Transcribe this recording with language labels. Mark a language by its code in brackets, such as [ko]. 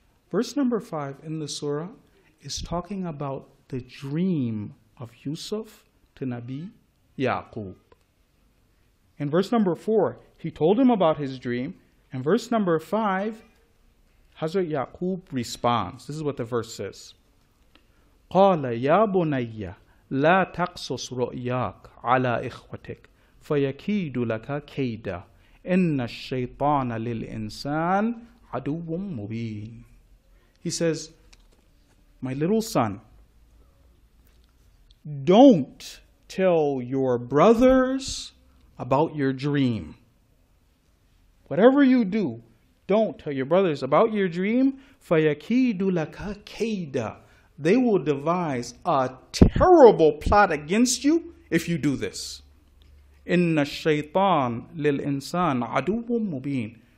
[en] Verse number 5 in the surah is talking about the dream of Yusuf to Nabi Yaqub. In verse number 4, he told him about his dream. In verse number 5, Hazrat Yaqub responds. This is what the verse says. [ar] قَالَ يَا بُنَيَّ لَا تَقْصُصْ رُؤْيَاكَ عَلَىٰ إِخْوَتِكَ فَيَكِيدُ لَكَ كَيْدًا إِنَّ الشَّيْطَانَ لِلْإِنسَانِ عَدُوٌ مُبِينٌ. [en] He says, my little son, don't tell your brothers about your dream. Whatever you do, don't tell your brothers about your dream. [ar] فَيَكِيدُ لَكَ كَيْدًا. [en] They will devise a terrible plot against you if you do this. [ar] Inna shaytan lil insan aduwwun mubin.